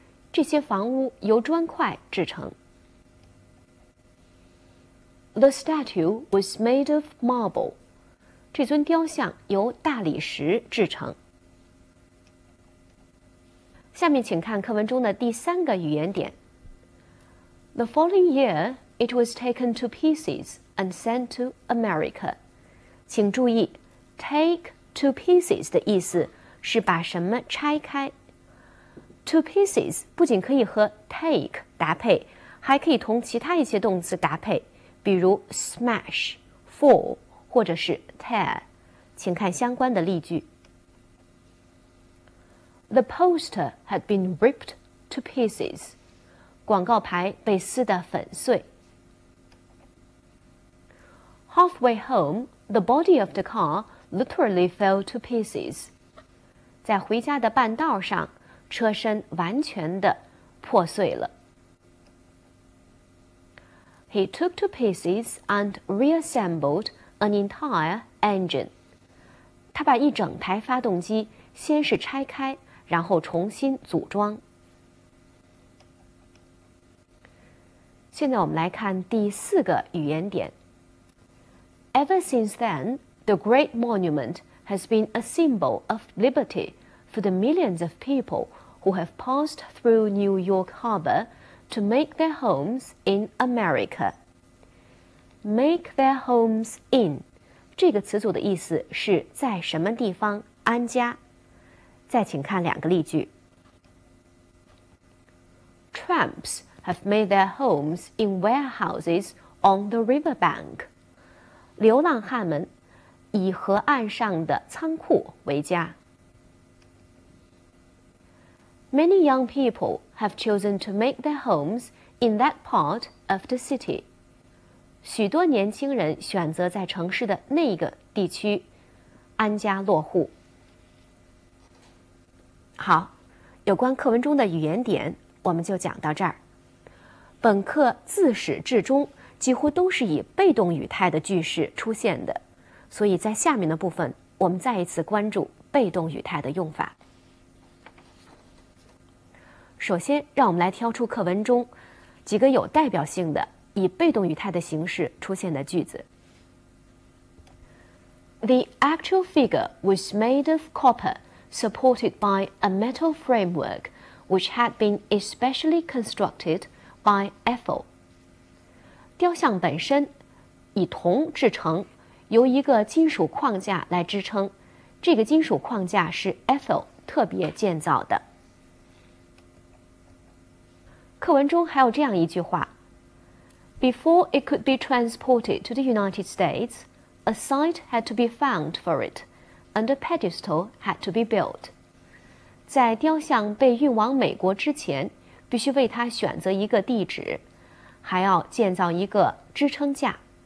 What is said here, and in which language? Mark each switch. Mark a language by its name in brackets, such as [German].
[Chinese] 这些房屋由砖块制成。 [English] The statue was made of marble. [Chinese] 这尊雕像由大理石制成。下面请看课文中的第三个语言点。 [English] The following year, it was taken to pieces and sent to America. [Chinese] 请注意 ,take to pieces 的意思是把什么拆开。 To pieces 不仅可以和 take 搭配，还可以同其他一些动词搭配，比如 smash, fall, 或者是 tear。请看相关的例句。 [English] The poster had been ripped to pieces. [Chinese] 广告牌被撕得粉碎。 [English] Halfway home, the body of the car literally fell to pieces. [Chinese] 在回家的半道上，车身完全的破碎了。 [English] He took to pieces and reassembled an entire engine. [Chinese] 他把一整台发动机先是拆开然后重新组装。现在我们来看第四个语言点。 [English] Ever since then, the great monument has been a symbol of liberty for the millions of people who have passed through New York Harbor to make their homes in America. [Chinese] Make their homes in, 这个词组的意思是在什么地方安家。再请看两个例句。 [English] Tramps have made their homes in warehouses on the riverbank. [Chinese] 流浪汉们以河岸上的仓库为家。 [English] Many young people have chosen to make their homes in that part of the city. [Chinese] 许多年轻人选择在城市的那个地区安家落户。好，有关课文中的语言点，我们就讲到这儿。本课自始至终几乎都是以被动语态的句式出现的，所以在下面的部分，我们再一次关注被动语态的用法。首先，让我们来挑出课文中几个有代表性的以被动语态的形式出现的句子。 [English] The actual figure was made of copper, supported by a metal framework, which had been especially constructed by Eiffel. [Chinese] 雕像本身以铜制成，由一个金属框架来支撑，这个金属框架是 Eiffel 特别建造的。课文中还有这样一句话， [English] Before it could be transported to the United States, a site had to be found for it, and a pedestal had to be built. [Chinese] 在雕像被运往美国之前，必须为它选择一个地址，还要建造一个支撑架。